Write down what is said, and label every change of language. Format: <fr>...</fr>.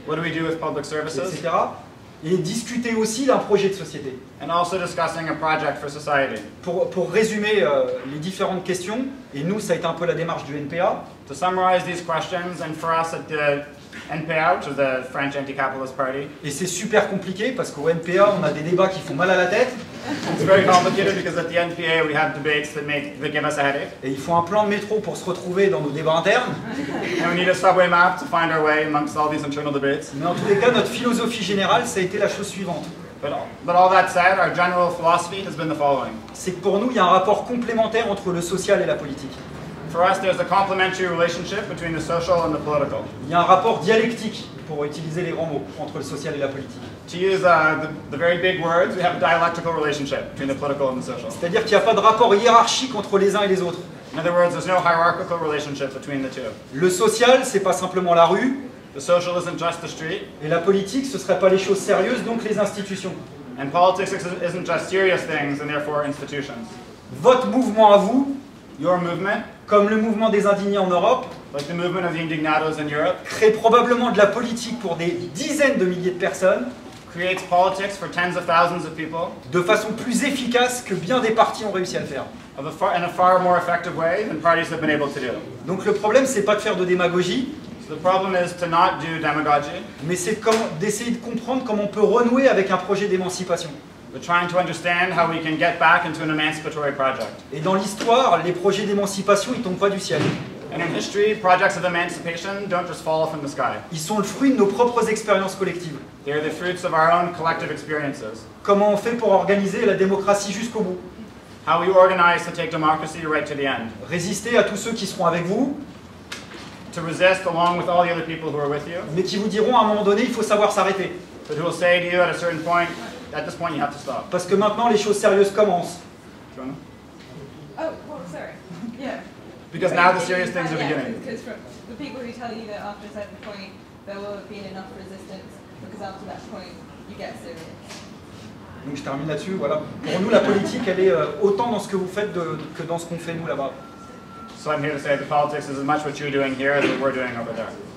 <en>What do we do with public services?</en> <fr>Etc. Et discuter aussi d'un projet de société.</fr> <en>And also discussing a project for society.</en> <fr>Pour résumer les différentes questions, et nous, ça a été un peu la démarche du NPA.</fr> <en>To summarize these questions, and for us at the NPA, which is the French Anti-Capitalist Party.</en> <fr>Et c'est super compliqué parce qu'au NPA, on a des débats qui font mal à la tête.</fr> <en>It's very complicated because at the NPA, we have debates that give us a headache.</en> <fr>Et il faut un plan de métro pour se retrouver dans nos débats internes.</fr> <en>And we need a subway map to find our way amongst all these internal debates.</en> <fr>Mais en tous les cas, notre philosophie générale, ça a été la chose suivante.</fr> <en>But all that said, our general philosophy has been the following.</en> <fr>C'est que pour nous, il y a un rapport complémentaire entre le social et la politique.</fr> <en>For us, there's a complementary relationship between the social and the political.</en> <fr>Il y a un rapport dialectique, pour utiliser les grands mots, entre le social et la politique.</fr> <en>To use the very big words, we have a dialectical relationship between the political and the social.</en> <fr>C'est-à-dire qu'il n'y a pas de rapport hiérarchique entre les uns et les autres.</fr> <en>In other words, there's no hierarchical relationship between the two.</en> <fr>Le social, c'est pas simplement la rue.</fr> <en>The social isn't just the street.</en> <fr>Et la politique, ce serait pas les choses sérieuses, donc les institutions.</fr> <en>And politics isn't just serious things, and therefore institutions.</en> <fr>Votre mouvement à vous.</fr> <en>Your movement.</en> <fr>Comme le mouvement des indignés en Europe,</fr> <en>like the movement of the indignados in Europe,</en> <fr>crée probablement de la politique pour des dizaines de milliers de personnes,</fr> <en>creates politics for tens of thousands of people,</en> <fr>de façon plus efficace que bien des partis ont réussi à le faire.</fr> <en>In a far more effective way than parties have been able to do.</en> <fr>Donc le problème, c'est pas de faire de démagogie,</fr> <en>so the problem is to not do demagogy,</en> <fr>mais c'est d'essayer de comprendre comment on peut renouer avec un projet d'émancipation.</fr> <en>We're trying to understand how we can get back into an emancipatory project.</en> <fr>Et dans l'histoire, les projets d'émancipation, ils tombent pas du ciel.</fr> <en>And in history, projects of emancipation don't just fall from the sky.</en> <fr>Ils sont le fruit de nos propres expériences collectives.</fr> <en>They are the fruits of our own collective experiences.</en> <fr>Comment on fait pour organiser la démocratie jusqu'au bout?</fr> <en>How we organize to take democracy right to the end.</en> <fr>Résister à tous ceux qui seront avec vous.</fr> <en>To resist along with all the other people who are with you.</en> <fr>Mais qui vous diront à un moment donné, il faut savoir s'arrêter.</fr> <en>But who will say to you at a certain point, at this point, you have to stop.</en> <fr>Parce que maintenant, les choses sérieuses commencent.</fr> <en>Oh, well, sorry. Yeah. Because now the serious things are beginning. Because the people who tell you that after a certain point, there will have been enough resistance, because after that point, you get serious.</en> <fr>Donc je termine là-dessus, voilà. Pour nous, la politique, elle est autant dans ce que vous faites que dans ce qu'on fait, nous, là-bas.</fr> <en>So I'm here to say the politics is as much what you're doing here as what we're doing over there.</en>